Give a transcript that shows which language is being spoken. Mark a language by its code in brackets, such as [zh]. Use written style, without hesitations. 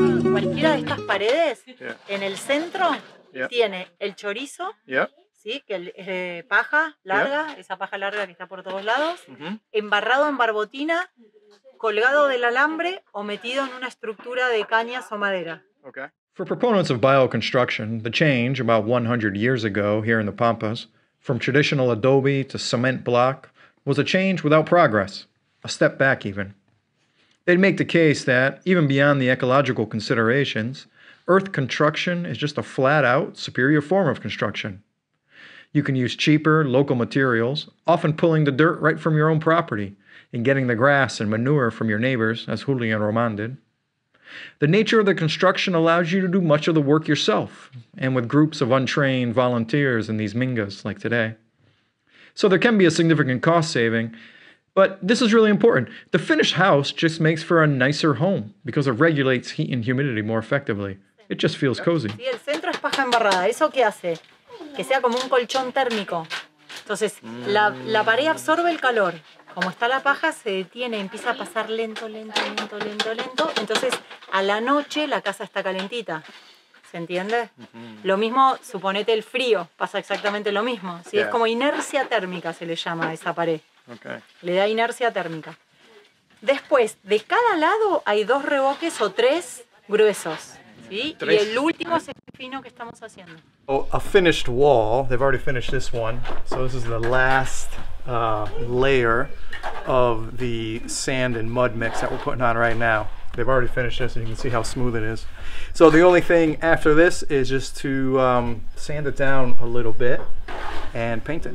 [es] Cualquiera de estas paredes, en el centro, tiene el chorizo, sí, que es paja larga, esa paja larga que está por todos lados, embarrado en barbotina, colgado del alambre o metido en una estructura de cañas o madera. [en] Okay. For proponents of bioconstruction, the change about 100 years ago here in the Pampas, from traditional adobe to cement block, was a change without progress, a step back even. They'd make the case that, even beyond the ecological considerations, earth construction is just a flat-out superior form of construction. You can use cheaper, local materials, often pulling the dirt right from your own property and getting the grass and manure from your neighbors, as Juli and Roman did. The nature of the construction allows you to do much of the work yourself and with groups of untrained volunteers in these mingas like today. So there can be a significant cost saving, but this is really important. The finished house just makes for a nicer home because it regulates heat and humidity more effectively. It just feels cozy. [es] Sí, el centro es paja embarrada. ¿Eso qué hace? Que sea como un colchón térmico. Entonces, la pared absorbe el calor. Como está la paja, se detiene, empieza a pasar lento, lento, lento, lento, lento. Entonces, a la noche, la casa está calentita. ¿Se entiende? Lo mismo, suponete el frío. Pasa exactamente lo mismo. ¿Sí? Yeah. Es como inercia térmica, se le llama a esa pared. [en] Okay. [es] Le da inercia térmica. Después, de cada lado hay dos reboques o tres gruesos. ¿Sí? Y el último es el fino que estamos haciendo. [en] Oh, a finished wall. They've already finished this one. So this is the last layer of the sand and mud mix that we're putting on right now. They've already finished this and you can see how smooth it is. So the only thing after this is just to sand it down a little bit and paint it.